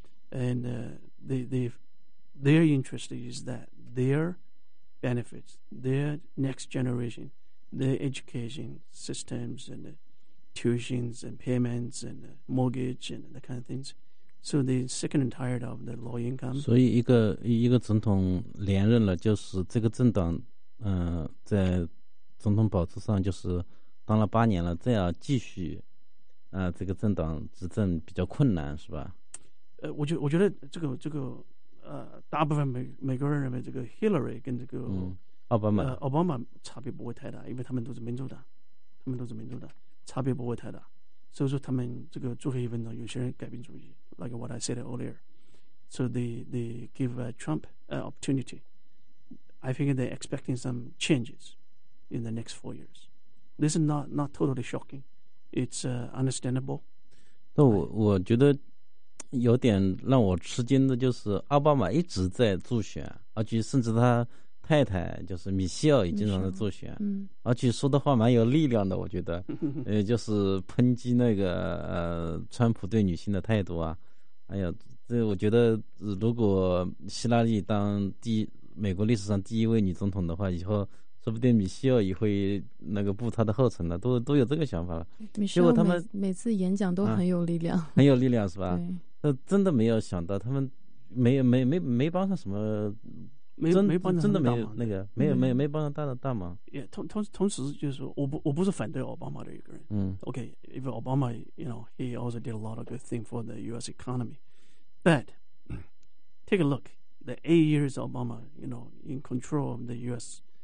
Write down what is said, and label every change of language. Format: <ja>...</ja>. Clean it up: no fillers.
<en>And their interest is that their benefits, their next generation, their education systems and tuitions and payments and mortgage and that kind of things. So they're sick and tired of the low income.</en> <zh>所以一个总统连任了，就是这个政党，在总统宝座上就是当了八年了，再要继续，这个政党执政比较困难，是吧？我觉得这个大部分美国人认为这个 Hillary 跟这个奥巴马差别不会太大，因为他们都是民主党，他们都是民主党，差别不会太大。所以说他们这个最后一分钟，有些人改变主意 ，</zh> <en>like what I said earlier. So they give Trump an opportunity. I think they're expecting some changes in the next 4 years. This is not totally shocking. It's understandable.</en> <zh>那我觉得有点让我吃惊的就是奥巴马一直在助选，而且甚至他太太就是米歇尔也经常在助选，而且说的话蛮有力量的，我觉得就是抨击那个川普对女性的态度啊，哎呀，这我觉得如果希拉里当美国历史上第一位女总统的话，以后说不定米歇尔也会那个步他的后尘了，都有这个想法了。米歇尔每次演讲都很有力量，很有力量是吧？真的没有想到他们没帮上什么，没帮真的没有那个没帮上大的大忙。也、yeah, 同时就是我不是反对奥巴马的一个人。</zh> <en>OK, if Obama, you know, he also did a lot of good things for the U.S. economy, but take a look, the 8 years Obama, you know, in control of the U.S.</en>